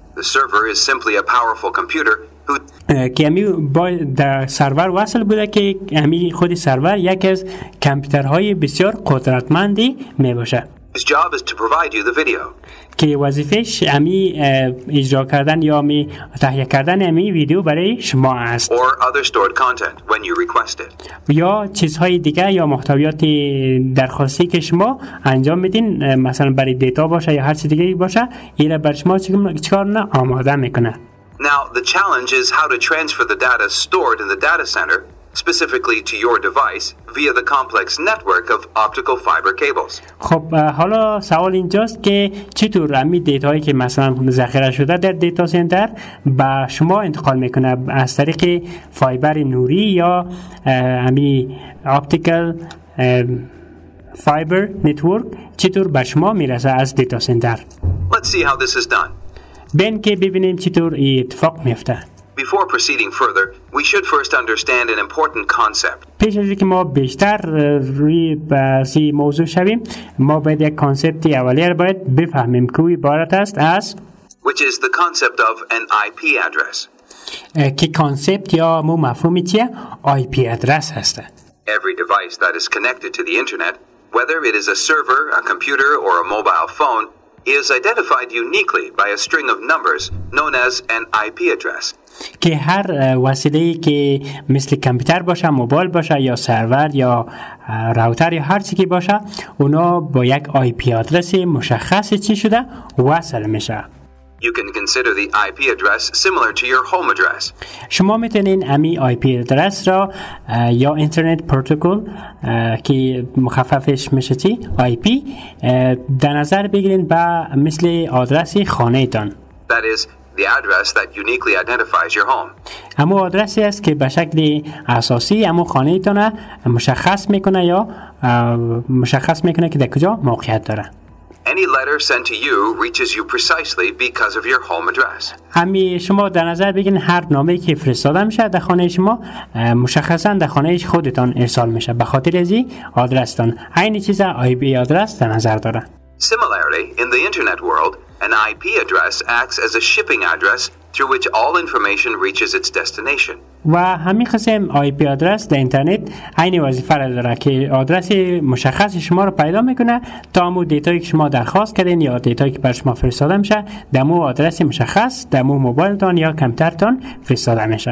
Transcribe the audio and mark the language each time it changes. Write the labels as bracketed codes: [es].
[en] The server is simply a powerful computer who [fa] که امی با در سرور وصل بوده که امی خود سرور یکی از کمپیوترهای بسیار قدرتمندی می باشه. [en] His job is to provide you the video. [fa] که وظیفش امی اجرا کردن یا امی تهیه کردن امی ویدیو برای شما است. [en] Or other stored content when you request it. [fa] یا چیزهای دیگه یا محتویات درخواستی که شما انجام میدین مثلا برای دیتا باشه یا هر چیز دیگه باشه این را برای شما چیکار نه آماده میکنه. [en] Now, the challenge is how to transfer the data stored in the data center, specifically to your device, via the complex network of optical fiber cables. [fa] خب حالا سوال اینجاست که چطور امی دیتایی که مثلا ذخیره شده در دیتا سنتر به شما انتقال میکنه از طریق فایبر نوری یا امی اپتیکل فایبر نتورک چطور به شما میرسه از دیتا سنتر؟ [en] Let's see how this is done. [fa] بین که ببینیم چطور اتفاق میفته. [en] Before proceeding further, we should first understand an important concept. [fa] پیش از اینکه ما بیشتر روی بحثی موضوع شویم، ما باید یک کانسپتی اولی را باید بفهمیم که او عبارت است از [en] Which is the concept of an IP address. [fa] که کانسپت یا مو مفهومی چیه؟ IP address هسته. [en] Every device that is connected to the internet whether it is a server, a computer, or a mobile phone, is identified uniquely by a string of numbers known as an IP address. [fa] که هر وسیله‌ای که مثل کامپیوتر باشه، موبایل باشه یا سرور یا راوتر یا هر چیزی که باشه، اونا با یک آی پی آدرس مشخص چی شده وصل میشه. [en] You can consider the IP address similar to your home address. [fa] شما میتونین امی آی پی آدرس را یا اینترنت پروتکل که مخففش میشه چی آی پی در نظر بگیرین با مثل آدرس خانه تان. [en] That is the address that uniquely identifies your home. [fa] امو آدرسی است که به شکل اساسی امو خانه تان مشخص میکنه یا مشخص میکنه که در کجا موقعیت داره. [en] Any letter sent to you reaches you precisely because of your home address. [fa] همی شما در نظر بگیرین هر نامه‌ای که فرستاده میشه در خانه شما مشخصاً در خانه خودتان ارسال میشه به خاطر ازی آدرس تان عین چیز آی پی آدرس در نظر داره. [en] Similarly, in the internet world, an IP address acts as a shipping address through which all information reaches its destination. [fa] و همین قسم IP آدرس در اینترنت عین وظیفه را داره که آدرس مشخص شما را پیدا میکنه تا مو دیتایی که شما درخواست کردین یا دیتایی که بر شما فرستاده میشه در مو آدرس مشخص در مو موبایلتان یا کامپیوترتان فرستاده میشه.